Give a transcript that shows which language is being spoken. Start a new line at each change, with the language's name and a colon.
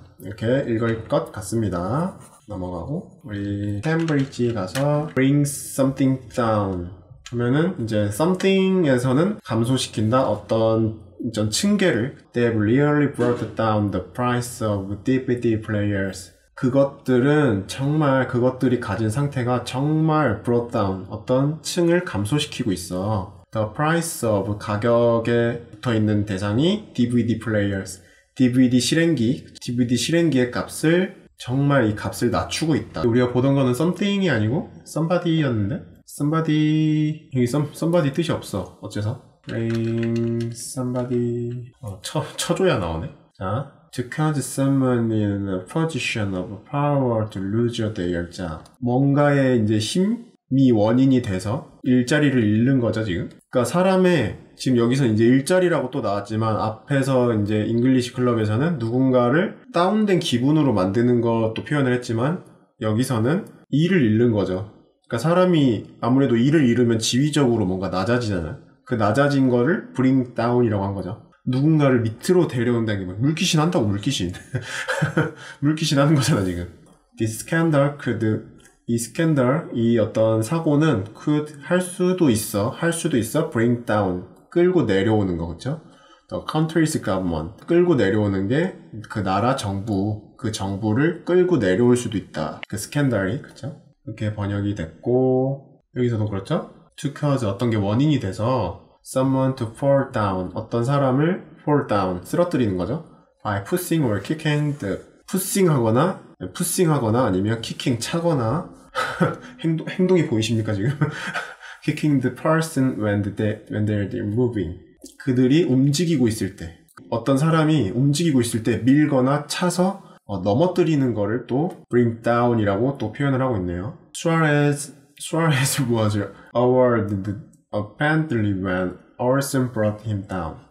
Korean: 이렇게 읽을 것 같습니다. 넘어가고 우리 캠브리지 가서
English: bring something down
Korean: 하면은 이제 something에서는 감소시킨다 어떤 전 층계를
English: They really brought down the price of DVD players.
Korean: 그것들은 정말 그것들이 가진 상태가 정말 brought down 어떤 층을 감소시키고 있어.
English: The price of
Korean: 가격에 붙어 있는 대상이 DVD players, DVD 실행기, DVD 실행기의 값을 정말 이 값을 낮추고 있다. 우리가 보던 거는 something이 아니고 somebody였는데, somebody 여기 somebody 뜻이 없어. 어째서? Bring somebody 쳐줘야 나오네.
English: 자, to catch someone in a position of power to lose their job.
Korean: 뭔가의 이제 힘? 이 원인이 돼서 일자리를 잃는 거죠, 지금. 그러니까 사람의 지금 여기서 이제 일자리라고 또 나왔지만 앞에서 이제 잉글리시 클럽에서는 누군가를 다운된 기분으로 만드는 것도 표현을 했지만 여기서는 일을 잃는 거죠. 그러니까 사람이 아무래도 일을 잃으면 지위적으로 뭔가 낮아지잖아요. 그 낮아진 거를 브링 다운이라고 한 거죠. 누군가를 밑으로 데려온다는 게 뭐, 물귀신 한다고 물귀신. 물귀신 하는 거잖아, 지금.
English: This scandal could
Korean: 이 스캔들, 이 어떤 사고는 could 할 수도 있어, 할 수도 있어, bring down, 끌고 내려오는 거, 그쵸?
English: The country's government,
Korean: 끌고 내려오는 게그 나라 정부, 그 정부를 끌고 내려올 수도 있다. 그 스캔들이, 그쵸? 이렇게 번역이 됐고, 여기서도 그렇죠?
English: to cause
Korean: 어떤 게 원인이 돼서
English: someone to fall down
Korean: 어떤 사람을 fall down 쓰러뜨리는 거죠.
English: by pushing or kicking the pushing
Korean: 하거나 아니면
English: kicking
Korean: 차거나 행동이 보이십니까 지금?
English: kicking the person when they're moving
Korean: 그들이 움직이고 있을 때 어떤 사람이 움직이고 있을 때 밀거나 차서 넘어뜨리는 거를 또 bring down이라고 또 표현을 하고 있네요.
English: Suarez was awarded a Bentley when Orson brought him down.